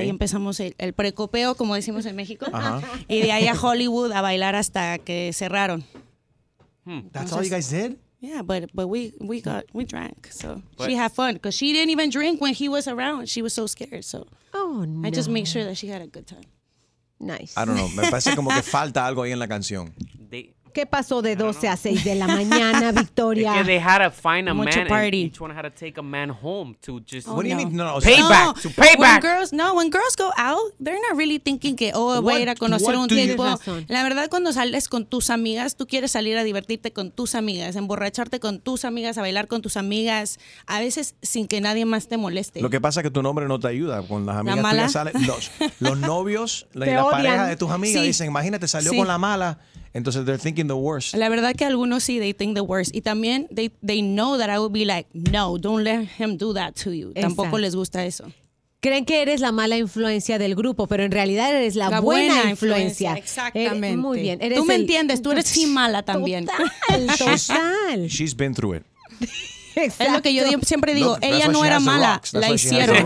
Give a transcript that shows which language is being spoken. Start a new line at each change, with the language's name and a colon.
Spanish: Ahí empezamos el precopeo, como decimos en México. Uh-huh. Y de ahí a Hollywood a bailar hasta que cerraron.
English: That's all you guys did? Yeah, but we drank, so what? She had fun because she didn't even drink when he was around. She was so scared, so I just make sure that she had a good time. Nice. I don't know.
Spanish: Me parece como que falta algo ahí en la canción. ¿Qué pasó de 12 a 6 de la mañana, Victoria?
English: Yeah, they had to find a man and each one had to take a man home to just... Oh, what do you mean? No. Payback. No. To payback. When girls go out, they're not really thinking que, oh,
Spanish: voy a ir a conocer un tipo.
English: You...
Spanish: La verdad, cuando sales con tus amigas, tú quieres salir a divertirte con tus amigas, emborracharte con tus amigas, a bailar con tus amigas, a veces sin que nadie más te moleste. Lo que pasa es que tu nombre no te ayuda. Con las amigas ¿la mala? Tú ya sales. Los novios, la odian. Pareja de tus amigas, sí. Dicen, imagínate, salió con la mala. Entonces,
English: they're thinking the worst.
Spanish: La verdad que algunos sí,
English: they think the worst.
Spanish: Y también,
English: they know that I would be like, no, don't let him do that to you.
Spanish: Exacto. Tampoco les gusta eso. Creen que eres la mala influencia del grupo, pero en realidad eres la buena influencia. Exactamente. Muy bien. Eres tú me entiendes, tú eres sí mala también. Total.
English: She's been through it.
Spanish: Exacto. Es lo que yo siempre digo. No, ella no era mala. La hicieron.